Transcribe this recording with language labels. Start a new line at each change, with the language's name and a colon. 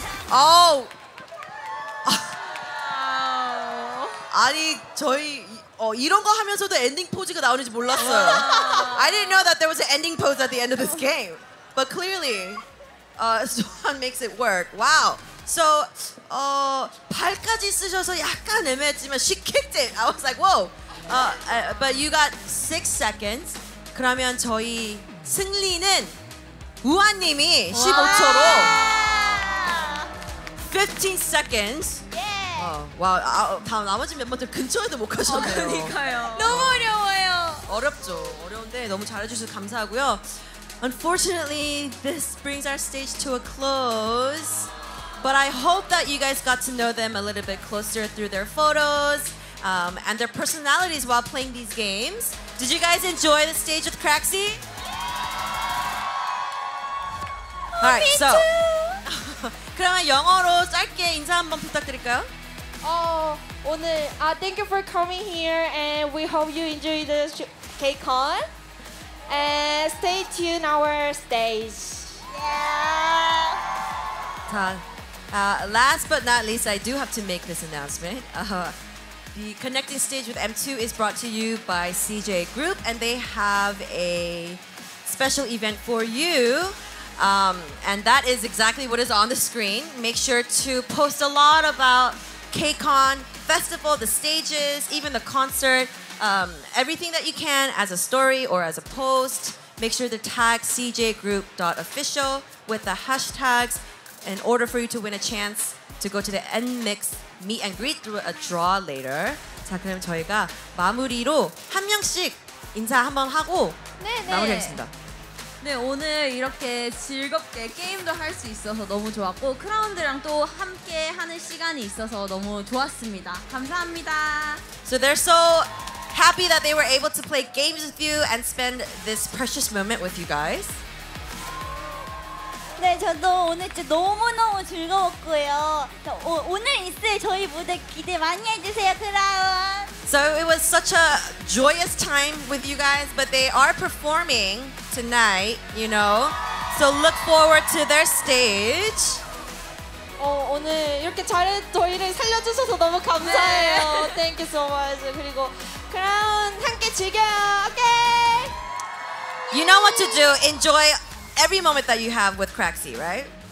Korean: 오! 오! 아니 저희 이런 거 하면서도 엔딩 포즈가 나오는지 몰랐어요.
English: I didn't know that there was an ending pose at the end of this game. But clearly, Swan makes it work. Wow. So,
Korean: 발까지 쓰셔서 약간 애매했지만
English: she kicked it. I was like, whoa. But you got 6 seconds.
Korean: 그러면 저희 승리는 우아님이 15초로
English: 15 seconds. Yeah.
Korean: 다음 나머지 멤버들 근처에도 못 가셨네요. 그러니까요. 너무 어려워요. 어렵죠. 어려운데 너무 잘해주셔서 감사하고요.
English: Unfortunately, this brings our stage to a close. But I hope that you guys got to know them a little bit closer through their photos. And their personalities while playing these games. Did you guys enjoy the stage with Craxy? Yeah. All right, so.
Korean: 그러면 영어로 짧게 인사 한번 부탁드릴까요? 오늘
English: thank you for coming here, and we hope you enjoy the KCON. And stay tuned our stage. Yeah. 자, last but not least, I do have to make this announcement. The Connecting Stage with M2 is brought to you by CJ Group, and they have a special event for you. And that is exactly what is on the screen. Make sure to post a lot about KCON Festival, the stages, even the concert, everything that you can as a story or as a post. Make sure to tag cjgroup.official with the hashtags in order for you to win a chance to go to the NMIX meet and greet through a draw later.
Korean: 자, 그럼 저희가 마무리로 한 명씩 인사 한번 하고 네네. 마무리하겠습니다. 네, 오늘 이렇게 즐겁게 게임도 할 수 있어서 너무 좋았고 크라운드랑 또 함께 하는 시간이 있어서 너무 좋았습니다. 감사합니다.
English: So they're so happy that they were able to play games with you and spend this precious moment with you guys.
Korean: 네, 저도 오늘 진짜 너무너무 즐거웠고요. 오늘 있을 저희 무대 기대 많이 해주세요, 그럼.
English: So it was such a joyous time with you guys, but they are performing tonight, you know. So look forward to their stage.
Korean: 오늘 이렇게 잘 저희를 살려주셔서 너무 감사해요.
English: 네. Thank you so much.
Korean: 그리고 그럼 함께 즐겨요, 오케이?
English: You know what to do. Enjoy every moment that you have with Craxy, right?